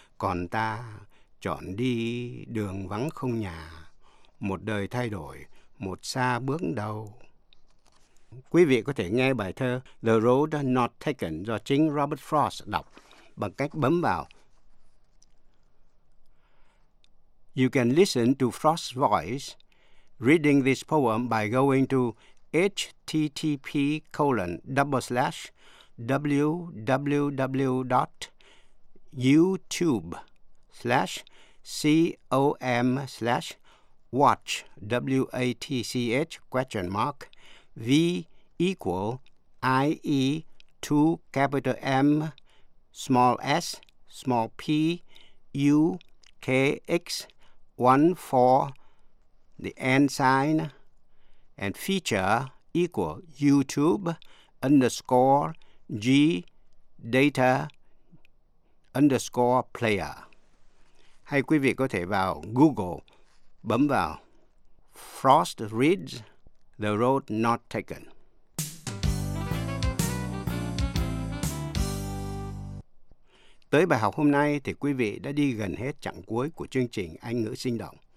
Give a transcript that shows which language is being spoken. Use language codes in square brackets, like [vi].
[vi] Còn ta chọn đi đường vắng không nhà, một đời thay đổi, một xa bước đầu. Quý vị có thể nghe bài thơ The Road Not Taken do chính Robert Frost đọc bằng cách bấm vào. [en] You can listen to Frost's voice reading this poem by going to http://cosw.youtube/cosw.watch.watch.vequal/ie2M/ps small s small p u k x 14 the and sign and feature equal youtube_player. [vi] Hay quý vị có thể vào Google bấm vào Frost reads The Road Not Taken. Tới bài học hôm nay thì quý vị đã đi gần hết chặng cuối của chương trình Anh ngữ sinh động.